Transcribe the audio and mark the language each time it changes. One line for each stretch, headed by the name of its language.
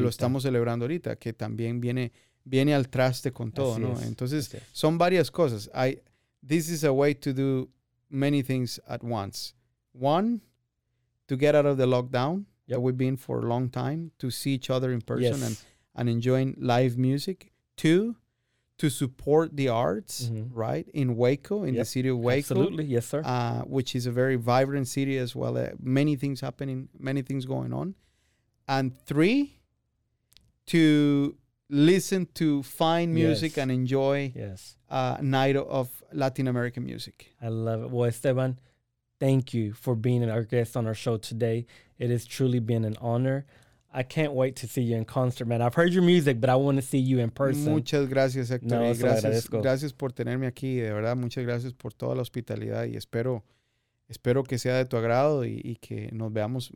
Spanish: Que lo estamos celebrando ahorita, que también viene al traste con todo, Así ¿no? Es. Entonces, son varias cosas.
English: This is a way to do many things at once. One, to get out of the lockdown yep. that we've been for a long time, to see each other in person yes. and enjoying live music. Two, to support the arts, mm-hmm. right, in Waco, in yep. the city of Waco. Absolutely, yes, sir. Which is a very vibrant city as well. Many things happening, many things going on. And three, to listen to fine music yes. and enjoy yes. a night of Latin American music. I love it. Well, Esteban, thank you for being our guest on our show today. It has truly been an honor. I can't wait to see you in concert, man. I've heard your music, but I want to see you in person.
Spanish: Muchas gracias, Héctor. No, gracias, gracias por tenerme aquí. De verdad, muchas gracias por toda la hospitalidad y espero que sea de tu agrado y que nos veamos.